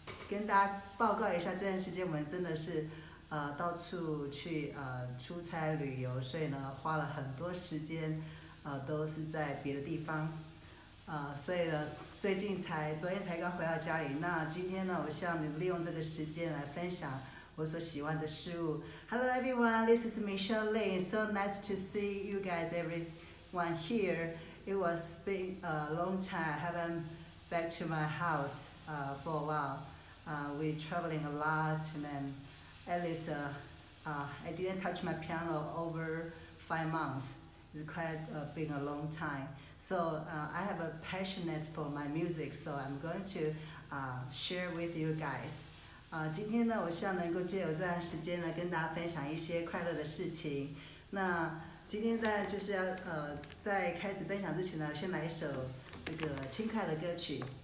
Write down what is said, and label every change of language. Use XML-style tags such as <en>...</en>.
<zh>跟大家报告一下，这段时间我们真的是到处去出差旅游，所以呢花了很多时间。都是在别的地方，所以呢，昨天才刚回到家里。那今天呢，我希望你利用这个时间来分享我所喜欢的事物。</zh> <en>Hello everyone, this is Michelle Lin. So nice to see you guys, everyone here. It was been a long time. I haven't back to my house for a while. We traveling a lot, and then at least I didn't touch my piano over 5 months. It's quite been a long time. So I have a passionate for my music, so I'm going to share with you guys.</en> <zh>今天呢，我希望能够借由这段时间呢，跟大家分享一些快乐的事情。那今天在就是要在开始分享之前呢，先来一首这个轻快的歌曲。</zh>